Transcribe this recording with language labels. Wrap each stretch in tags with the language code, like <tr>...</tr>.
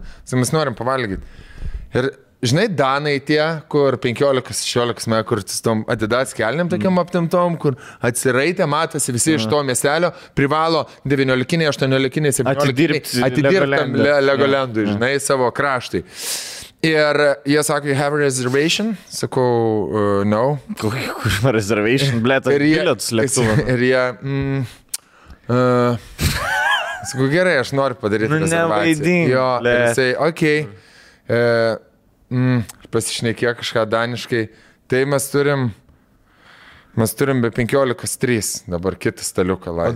<lt>Tai mes norim pavalgyti. Ir žinai, danai tie, kur 15-16 metų, kur su tom Adidas kelniam tokiam aptimtom, kur atsiraitė, matosi visi iš to miestelio, privalo 19-ai, 18-ai, 17-ai atidirbti Legolendui, žinai, savo kraštai. Ir jie sako,</lt> <en>you have a reservation?</en> <lt>Sakau, no. Kokia reservation? Blėta, bilietus lėktuvą. Ir jie... sakau, gerai, aš noriu padaryti nu, rezervaciją. Nevaidink, jo, blė. Ir jisai, okay. Pasišneikė kažką daniškai. Tai mes turim be 15:03 dabar kitą staliuką laisvą.</lt>